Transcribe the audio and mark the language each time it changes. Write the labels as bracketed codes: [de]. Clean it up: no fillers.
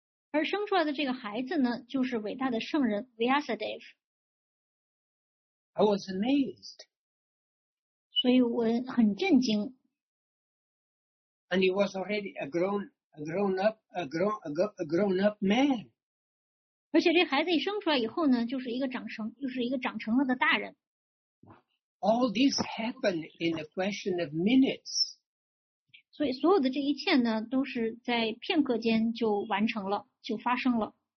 [zh] 而生出来的这个孩子呢，就是伟大的圣人 Vyasadeva. [en] I was amazed. [zh] 所以我很震惊。 [en] And he was already a grown up man. [zh] 而且这孩子一生出来以后呢，就是一个长成，就是一个长成了的大人。 [en] All this happened in a question of minutes. [zh] 所以所有的这一切呢，都是在片刻间就完成了，就发生了。